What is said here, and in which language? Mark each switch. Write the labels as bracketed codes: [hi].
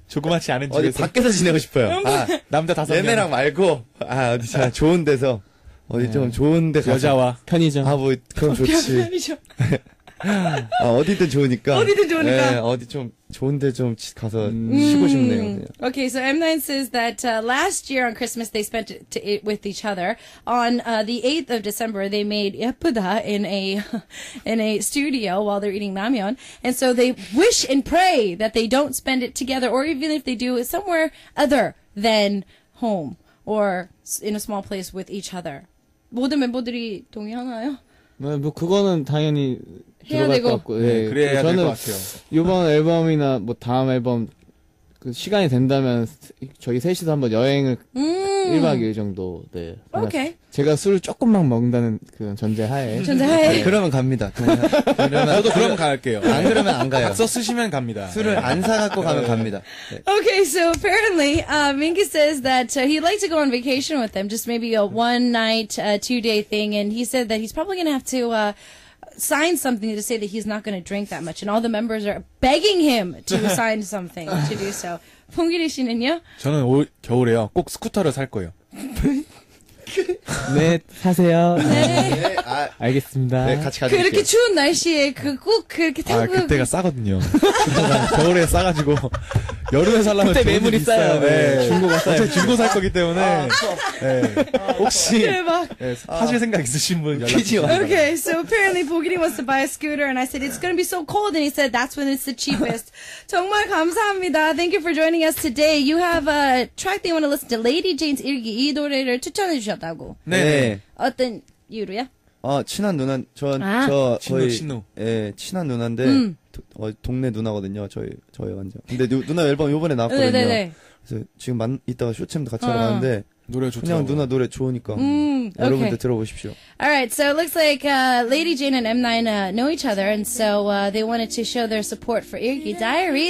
[ko] 조그맣지 않은 어디 집에서 어디 밖에서 지내고 싶어요. 아, 남자 다섯 명 얘네랑 말고 아 어디 자 좋은 데서 어디 네. 좀 좋은 데 가서 여자와 편의점 아 뭐 그럼 좋지 편의점 아, 어디든 좋으니까 어디든 좋으니까 네, 어디 좀 좋은 데 좀 가서 쉬고 싶네요. 그냥. [en] Okay, so M9 says that last year on Christmas they spent it with each other. On the 8th of December they made 예쁘다 in a studio while they're eating 라면. And so they wish and pray that they don't spend it together or even if they do it somewhere other than home or in a small place with each other. [ko] 모든 멤버들이 동의하나요? 뭐 그거는 당연히 해야 되고 같고, 네. 네, 그래야 될 것 같아요. 이번 앨범이나 뭐 다음 앨범 그 시간이 된다면 저희 셋이서 한번 여행을 1박 2일 정도 네. 오케이. 제가 술을 조금만 먹는다는 그런 전제하에 전제하에 네. 그러면 갑니다. 그러면 저도 그러면 갈게요. 안 그러면 안 가요. 써 쓰시면 갑니다. 술을 안 사갖고 가면 갑니다. 네. [en] Okay, so apparently Mingi says that he'd like to go on vacation with them, just maybe a one night, two day thing, and he said that he's probably gonna have to sign something to say that he's not going to drink that much, and all the members are begging him to sign something to do so. [ko] 봉기리 씨는요? 저는 올 겨울에요. 꼭 스쿠터를 살 거예요. 네, 사세요. 네. 네. 아, 알겠습니다. 네, 같이 가세요. 그렇게 추운 날씨에 그 꼭 그렇게 타고 아, 그때가 싸거든요. 겨울에 싸가지고 여름에 살라면 그때 매물이 싸요. 네. 네. 중고가 싸요. 제가 중고 살 거기 때문에. 아, 네. 아, 혹시 대박. 하실 네, 생각 있으신 분 연락주세요. [en] Okay, so apparently Bogiri wants to buy a scooter, and I said it's going to be so cold, and he said that's when it's the cheapest. [ko] 정말 감사합니다. [en] Thank you for joining us today. You have a track that you want to listen to, Lady Jane's 일기. [ko] 이 노래를 추천해 주셨. 다고. 네. 어떤 이유로요? 아 친한 누나, 전 저 아? 저희 친우. 예, 친한 누나인데 동네 누나거든요. 저희 완전. 근데 누나 앨범 이번에 나왔거든요. 네네네. 그래서 지금 이따가 쇼챔도 같이 하러 가는데. 노래 좋죠. 그냥 누나 노래 좋으니까. 오케이. 여러분들 들어보십시오. [en] Alright, so it looks like Lady Jane and M9 know each other, and so they wanted to show their support for 일기 Diary.